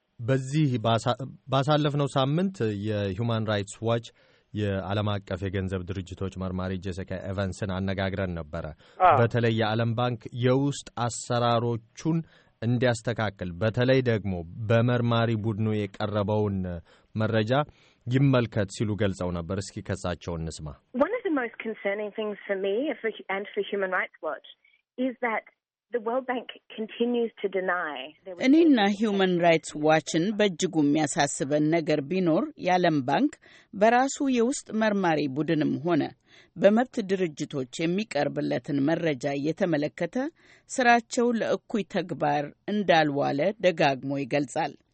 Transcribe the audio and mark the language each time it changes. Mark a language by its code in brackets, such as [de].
[am] በዚህ ባሳለፍነው ሳምንት የሂውማን ራይትስ ዋች የዓለም አቀፍ የገንዘብ ድርጅቶች መርማሪ ጄሲካ ኤቫንስን አነጋግረን ነበረ። በተለይ የዓለም ባንክ የውስጥ አሰራሮቹን እንዲያስተካክል በተለይ ደግሞ በመርማሪ ቡድኑ የቀረበውን መረጃ ይመልከት ሲሉ ገልጸው ነበር። እስኪ ከሳቸው እንስማ። [en] One of the most concerning things for me and for Human Rights Watch is that the World Bank continues to deny. [am] እኔና Human Rights Watchን በእጅጉ የሚያሳስበን ነገር ቢኖር የዓለም ባንክ በራሱ የውስጥ መርማሪ ቡድንም ሆነ በመብት ድርጅቶች የሚቀርብለትን መረጃ እየተመለከተ ስራቸው ለእኩይ ተግባር እንዳልዋለ ደጋግሞ ይገልጻል።